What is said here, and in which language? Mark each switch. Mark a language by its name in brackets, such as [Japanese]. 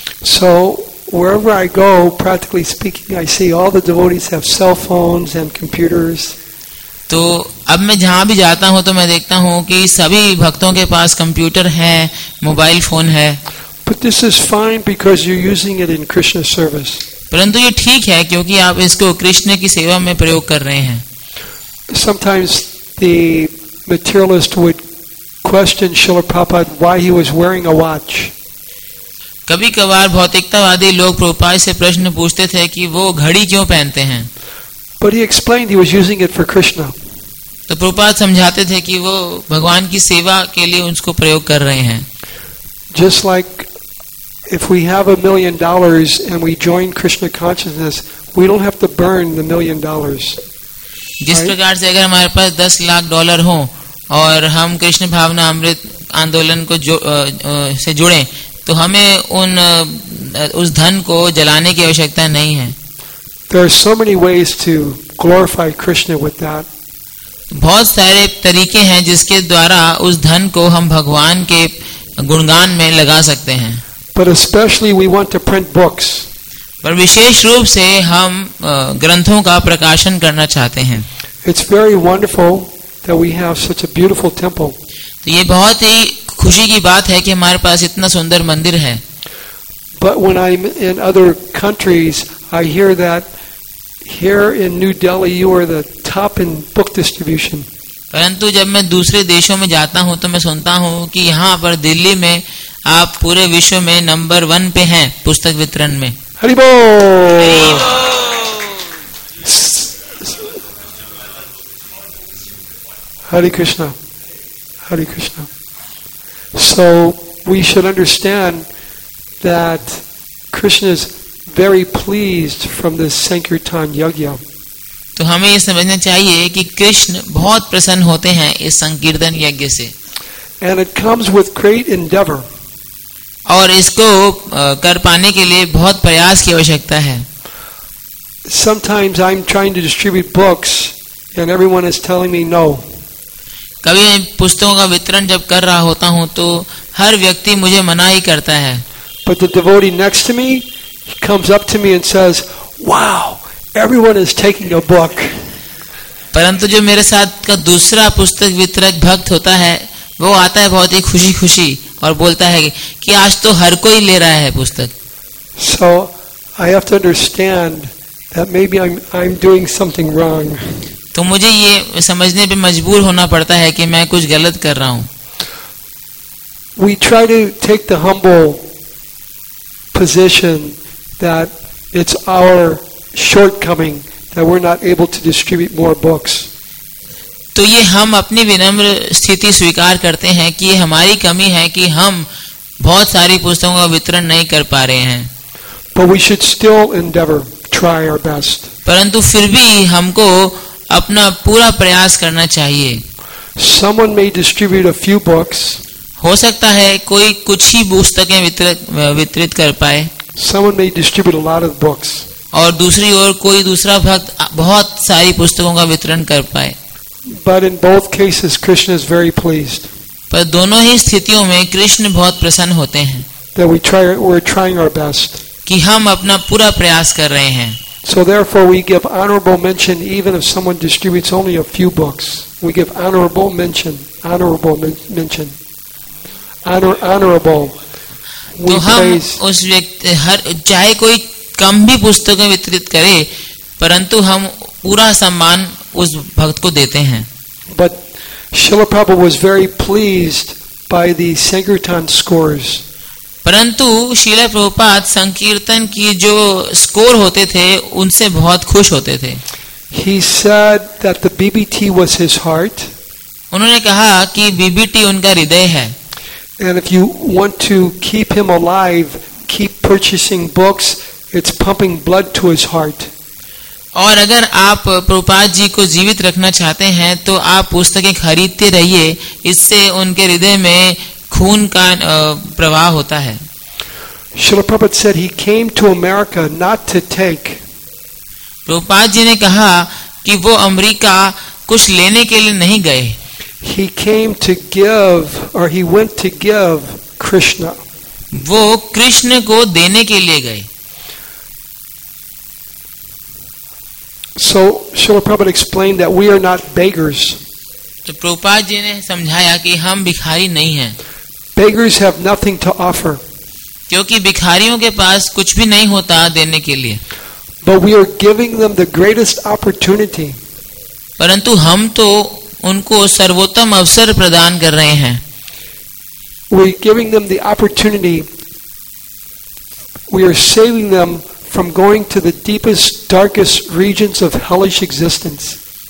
[English] So, wherever I go, practically speaking, I see all the devotees have cell phones and computers. [Hindi] तो अब मैं जहाँ भी जाता हूँ तो मैं देखता हूँ कि सभी भक्तों के पास कंप्यूटर है, मोबाइल फोन है. [English] But this is fine because you're using it in Krishna's service. [Hindi] परंतु ये ठीक है क्योंकि आप इसको कृष्ण की सेवा में प्रयोग कर रहे हैं. [English] Sometimes the materialist would question Srila Prabhupada why he was wearing a watch. [Hindi] कभी कभार भौतिकतावादी लोग प्रभुपाद से प्रश्न पूछते थे कि वो घड़ी क्यों पहनते हैं. [English] But he explained he was using it for Krishna. [Hindi] तो प्रभुपाद समझाते थे कि वो भगवान की सेवा के लिए उसको प्रयोग कर रहे हैं. [English] Just like if we have $1 million and we join Krishna consciousness, we don't have to burn the $1 million. [Hindi] जिस प्रकार से अगर हमारे पास $1,000,000 हो और हम कृष्ण भावना अमृत आंदोलन को से जुड़े तो हमें उन उस धन को जलाने की आवश्यकता नहीं है. [English] There are so many ways to glorify Krishna with that. [Hindi] बहुत सारे तरीके हैं जिसके द्वारा उस धन को हम भगवान के गुणगान में लगा सकते हैं. [English] But especially we want to print books. [Hindi] पर विशेष रूप से हम ग्रंथों का प्रकाशन करना चाहते हैं. [English] It's very wonderful that we have such a beautiful temple. [Hindi] तो ये बहुत ही खुशी की बात है कि हमारे पास इतना सुंदर मंदिर है. [English] But when I'm in other countries, I hear that here in New Delhi you are the top in book distribution. [Hindi] परंतु जब मैं दूसरे देशों में जाता हूँ तो मैं सुनता हूँ कि यहाँ पर दिल्ली में आप पूरे विश्व में नंबर वन पे हैं पुस्तक वितरण में. हरि बोल. हरे Krishna. [English] So we should understand that Krishna is very pleased from this Sankirtan Yajna. [Hindi] तो हमें ये समझना चाहिए कि कृष्ण बहुत प्रसन्न होते हैं इस संकीर्तन यज्ञ से. [English] And it comes with great endeavor. [Hindi] और इसको कर पाने के लिए बहुत प्रयास की आवश्यकता है. [English] Sometimes I'm trying to distribute books and everyone is telling me no. [Hindi] कभी मैं पुस्तकों का वितरण जब कर रहा होता हूँ तो हर व्यक्ति मुझे मना ही करता है. [English] But the devotee next to me, he comes up to me and says, "Wow, everyone is taking a book." [Hindi] परंतु जो मेरे साथ का दूसरा पुस्तक वितरक भक्त होता है वो आता है बहुत ही खुशी खुशी और बोलता है कि आज तो हर कोई ले रहा है पुस्तक. [English] So I have to understand that maybe I'm doing something wrong. [Hindi] तो मुझे ये समझने पे मजबूर होना पड़ता है कि मैं कुछ गलत कर रहा हूँ. [English] We try to take the humble position that it's our shortcoming that we're not able to distribute more books. [Hindi] तो ये हम अपनी विनम्र स्थिति स्वीकार करते हैं कि ये हमारी कमी है कि हम बहुत सारी पुस्तकों का वितरण नहीं कर पा रहे हैं. [English] But we should still endeavor, try our best. [Hindi] परंतु फिर भी हमको अपना पूरा प्रयास करना चाहिए. [English] Someone may distribute a few books. [Hindi] हो सकता है कोई कुछ ही पुस्तकें वितरित कर पाए. [English] Someone may distribute a lot of books. [Hindi] और दूसरी ओर कोई दूसरा भक्त बहुत सारी पुस्तकों का वितरण कर पाए. [English] But in both cases, Krishna is very pleased. [Hindi] पर दोनों ही स्थितियों में कृष्ण बहुत प्रसन्न होते हैं. [English] That we're trying our best. [Hindi] कि हम अपना पूरा प्रयास कर रहे हैं. [English] So therefore, we give honorable mention even if someone distributes only a few books. We give honorable mention, honorable. [Hindi] तो हम उस व्यक्ति हर चाहे कोई कम भी पुस्तकें वितरित करे परंतु हम पूरा सम्मान उस भक्त को देते हैं. [English] But Srila Prabhupada was very pleased by the Sankirtan scores. [Hindi] परंतु शील प्रभुपाद संकीर्तन की जो स्कोर होते थे उनसे बहुत खुश होते थे. [English] He said that the BBT was his heart. [Hindi] उन्होंने कहा कि BBT उनका हृदय है. [English] And if you want to keep him alive, keep purchasing books. It's pumping blood to his heart. [Hindi] और अगर आप प्रभुपाद जी को जीवित रखना चाहते हैं तो आप पुस्तकें खरीदते रहिए, इससे उनके हृदय में खून का प्रवाह होता है. [English] Srila Prabhupada said he came to America not to take. [Hindi] Prabhupada ji ने कहा कि वो अमेरिका कुछ लेने के लिए नहीं गए. [English] He came to give, or he went to give Krishna. [Hindi] वो कृष्ण को देने के लिए गए. [English] So Srila Prabhupada explained that we are not beggars. [Hindi] तो प्रभुपाद जी ने समझाया कि हम भिखारी नहीं हैं. [English] Beggars have nothing to offer. [Hindi] क्योंकि भिखारियों के पास कुछ भी नहीं होता देने के लिए. [English] But we are giving them the greatest opportunity. [Hindi] परंतु हम तो उनको सर्वोत्तम अवसर प्रदान कर रहे हैं. [English] We are giving them the opportunity. We are saving them from going to the deepest, darkest regions of hellish existence.